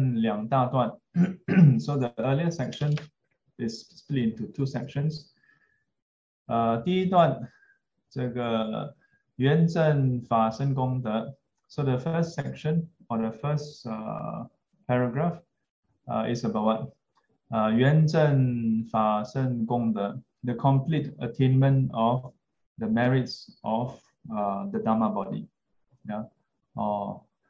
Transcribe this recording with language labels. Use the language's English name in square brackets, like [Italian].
[Chinese] 前面的文分两大段。 [English] So the earlier section is split into two sections. [Chinese] 第一段，这个圆正法身功德。 [English] So the first section or the first paragraph is about what? [Chinese] 圆正法身功德, [English] the complete attainment of the merits of the Dharma body. Yeah. Oh.